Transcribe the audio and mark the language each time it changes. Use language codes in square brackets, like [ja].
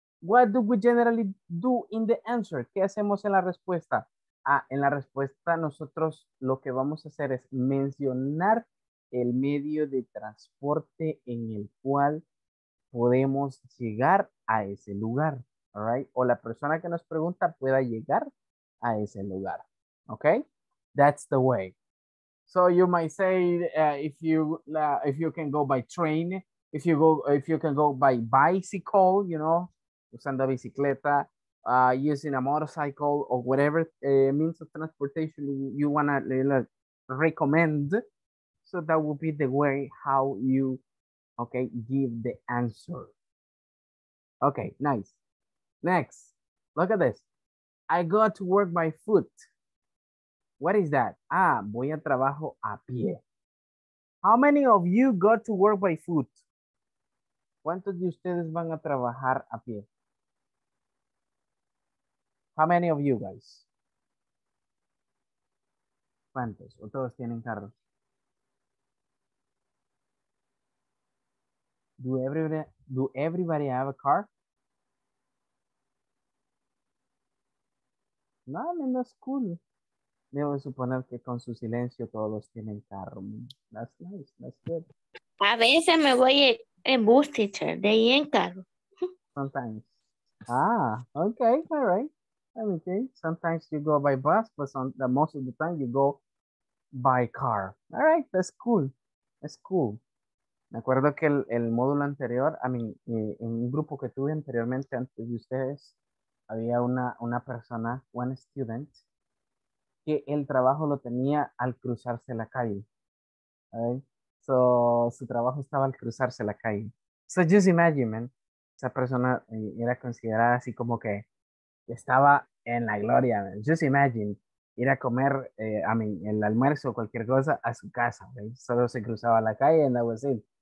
[en] What do we generally do in the answer? [es] ¿Qué hacemos en la respuesta? Ah, en la respuesta nosotros lo que vamos a hacer es mencionar el medio de transporte en el cual podemos llegar a ese lugar, [en] all right? [es] O la persona que nos pregunta pueda llegar a ese lugar, okay? [en] That's the way. So you might say if you can go by train, if you can go by bicycle, you know, [es] usando bicicleta, [en] using a motorcycle or whatever means of transportation you want to recommend. So that would be the way how you, okay, give the answer. Okay, nice. Next, look at this. I go to work by foot. What is that? [es] Ah, voy a trabajo a pie. [en] How many of you go to work by foot? [es] ¿Cuántos de ustedes van a trabajar a pie? [en] How many of you guys? [es] ¿Cuántos? ¿O todos tienen carro? [en] Do everybody have a car? [es] No, en la escuela. Debo suponer que con su silencio todos los tienen carro. [en] That's nice, that's good. [es] A veces me voy en bus, teacher, de ahí en carro. [en] Sometimes. Ah, okay, all right. Okay, sometimes you go by bus, but most of the time you go by car. All right, that's cool. That's cool. [es] Me acuerdo que el módulo anterior, en un grupo que tuve anteriormente antes de ustedes, había una persona, [en] one student, [es] que el trabajo lo tenía al cruzarse la calle. Okay? So, su trabajo estaba al cruzarse la calle. [en] So, just imagine, man. [es] Esa persona era considerada así como que estaba en la gloria, [en] man. Just imagine. [es] Ir a comer, el almuerzo o cualquier cosa a su casa. [en] Okay? [es] Solo se cruzaba la calle [en] and that was it.